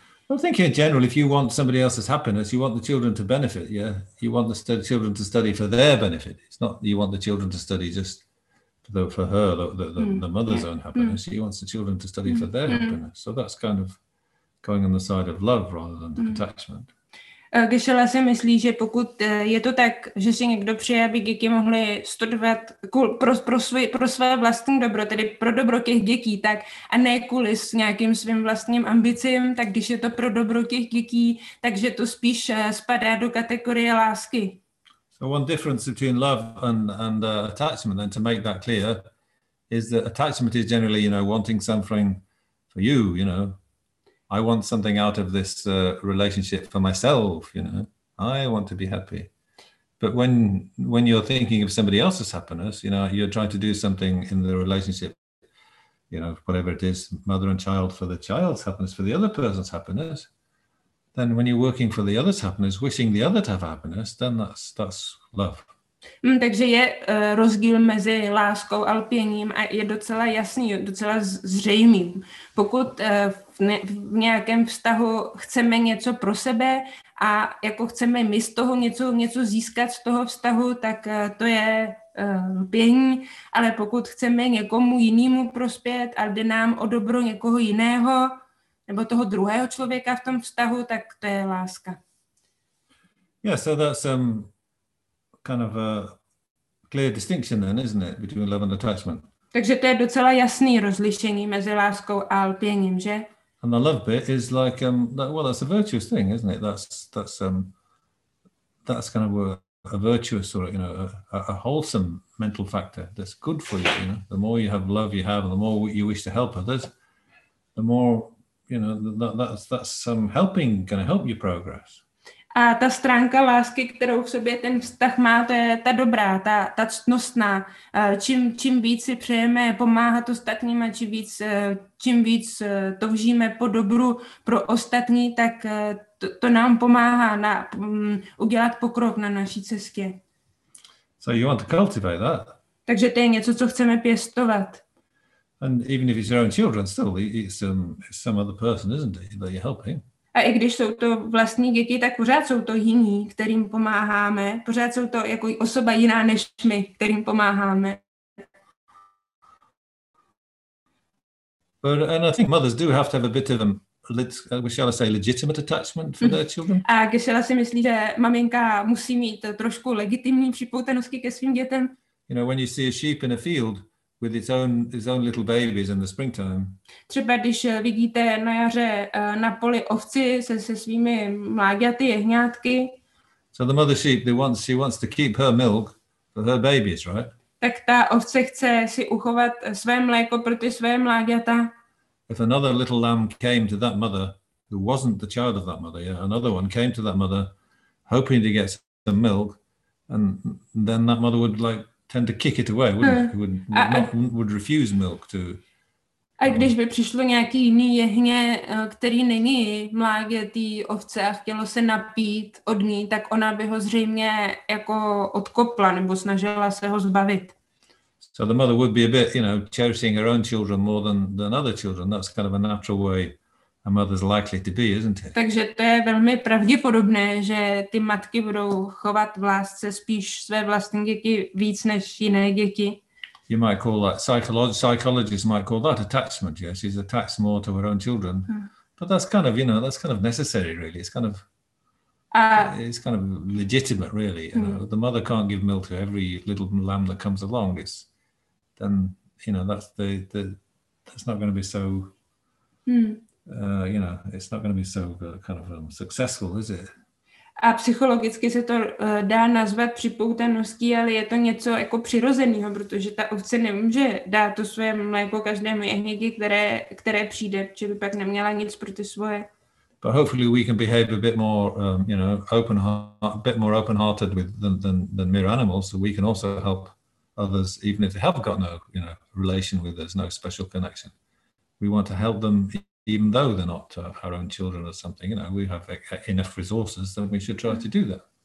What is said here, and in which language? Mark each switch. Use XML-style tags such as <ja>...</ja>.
<en>I'm thinking in general, if you want somebody else's happiness, you want the children to benefit, yeah? You want the children to study for their benefit. It's not you want the children to study just for her, the mother's own happiness. She wants the children to study for their happiness. So that's kind of going on the side of love rather than attachment.</en> <cs>Geshe-la si myslí, že pokud je to tak, že si někdo přeje, aby děti mohly studovat pro své vlastní dobro, tedy pro dobro těch dětí, tak a ne kvůli s nějakým svým vlastním ambicím, tak když je to pro dobro těch dětí, takže to spíš spadá do kategorie lásky.</cs> <en>So one difference between love and attachment, and to make that clear, is that attachment is generally, you know, wanting something for you, you know, I want something out of this relationship for myself, you know. I want to be happy. But when you're thinking of somebody else's happiness, you know, you're trying to do something in the relationship, you know, whatever it is, mother and child for the child's happiness, for the other person's happiness, then when you're working for the other's happiness, wishing the other to have happiness, then that's love.</en> <cs>Takže je rozdíl mezi láskou a lpěním a je docela jasný, docela zřejmý. Pokud v nějakém vztahu chceme něco pro sebe a jako chceme my z toho něco získat z toho vztahu, tak to je lpění, ale pokud chceme někomu jinému prospět a jde nám o dobro někoho jiného nebo toho druhého člověka v tom vztahu, tak to je láska.</cs> <en>Yes, so that's kind of a clear distinction then, isn't it, between love and attachment?</en> <cs>Takže to je docela jasný rozlišení mezi láskou a lpěním, že?</cs> <en>And the love bit is like, well, that's a virtuous thing, isn't it? That's kind of a virtuous or, you know, a wholesome mental factor that's good for you, you know? The more you have love you have, the more you wish to help others, the more, you know, that's some helping, going to help your progress.</en> <cs>A ta stránka lásky, kterou v sobě ten vztah má, to je ta dobrá, ta ctnostná. Čím víc si přejeme pomáhat ostatním a čím víc toužíme po dobru pro ostatní, tak to nám pomáhá udělat pokrok na naší cestě.</cs> <en>So you want to cultivate that.</en> <cs>Takže to je něco, co chceme pěstovat.</cs> <en>And even if it's your own children, still it's some other person, isn't it, that you're helping.</en> <cs>A i když jsou to vlastní děti, tak pořád jsou to jiní, kterým pomáháme. Pořád jsou to jako osoba jiná než my, kterým pomáháme.</cs> <en>But and I think mothers do have to have a bit of legitimate attachment for their children.</en> <cs>A Gisela si myslí, že maminka musí mít trošku legitimní připoutenosti ke svým dětem.</cs> <en>You know, when you see a sheep in a field with its own little babies in the springtime.</en> <cs>Třeba když vidíte na jaře na poli ovci se svými mláďaty, jehňátky.</cs> <en>So the mother sheep, she wants to keep her milk for her babies, right?</en> <cs>Tak ta ovce chce si uchovat své mléko pro ty své mláďata.</cs> <en>If another little lamb came to that mother who wasn't the child of that mother, yeah, another one came to that mother hoping to get some milk, and then that mother would like tend to kick it away, would refuse milk to.</en> <cs>A když by přišlo nějaký jiný jehně, který není mládě té ovce a chtělo se napít od ní, tak ona by ho zřejmě jako odkopla nebo snažila se ho zbavit.</cs> <en>So the mother would be a bit, you know, cherishing her own children more than other children. That's kind of a natural way a mother's likely to be, isn't it?</en> <cs>Takže to je velmi pravděpodobné, že ty matky budou chovat v lásce spíš své vlastní děti víc než jiné děti.</cs> <en>You might call that psychologists might call that attachment. Yes, she's attached more to her own children. But that's kind of, you know, that's kind of necessary, really. It's kind of legitimate, really. You know, the mother can't give milk to every little lamb that comes along. It's then, you know, that's not going to be so. You know, it's not going to be so kind of successful, is it?</en> <cs>A psychologicky se to dá nazvat připoutaností, ale je to něco jako přirozeného, protože ta ovce nemůže dát to svoje mléko každému jehněti, které přijde, že by pak neměla nic pro ty svoje.</cs> <en>But hopefully we can behave a bit more, you know, open-hearted with than mere animals, so we can also help others, even if they have got no, you know, relation with us, no special connection. We want to help them. Even though they're not our own children or something, you know, we have enough resources, then we should try to do that.</en>